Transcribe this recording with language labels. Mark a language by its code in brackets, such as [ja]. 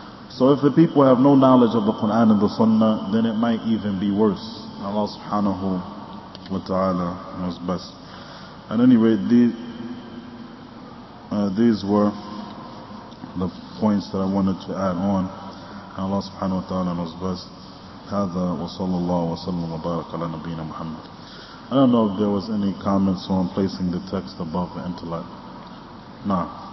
[en] So if the people have no knowledge of the Quran and the Sunnah, then it might even be worse. Allah subhanahu wa ta'ala knows best. At any rate, these were the points that I wanted to add on. Allah subhanahu wa ta'ala knows best. [ar] هذا وصلى الله وسلم وبارك على نبينا محمد. [en] I don't know if there was any comments on placing the text above the intellect. No.